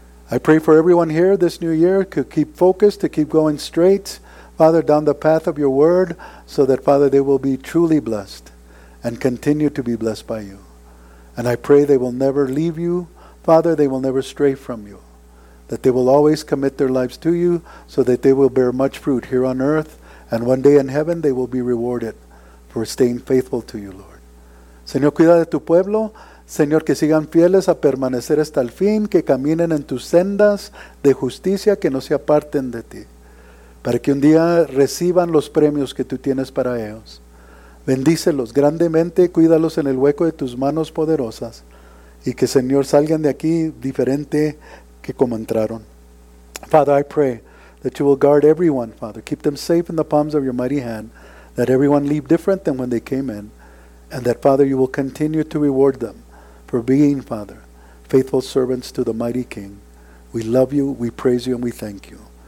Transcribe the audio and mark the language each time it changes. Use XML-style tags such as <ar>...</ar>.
<en>I pray for everyone here this new year to keep focused, to keep going straight, Father, down the path of your word so that, Father, they will be truly blessed and continue to be blessed by you. And I pray they will never leave you. Father, they will never stray from you. That they will always commit their lives to you so that they will bear much fruit here on earth and one day in heaven they will be rewarded for staying faithful to you, Lord.</en> <es>Señor, cuida de tu pueblo. Señor, que sigan fieles a permanecer hasta el fin, que caminen en tus sendas de justicia, que no se aparten de ti, para que un día reciban los premios que tú tienes para ellos. Bendícelos grandemente, cuídalos en el hueco de tus manos poderosas y que, Señor, salgan de aquí diferente que como entraron.</es> <en>Father, I pray that you will guard everyone, Father. Keep them safe in the palms of your mighty hand, that everyone leave different than when they came in, and that, Father, you will continue to reward them for being, Father, faithful servants to the mighty King. We love you, we praise you, and we thank you.</en>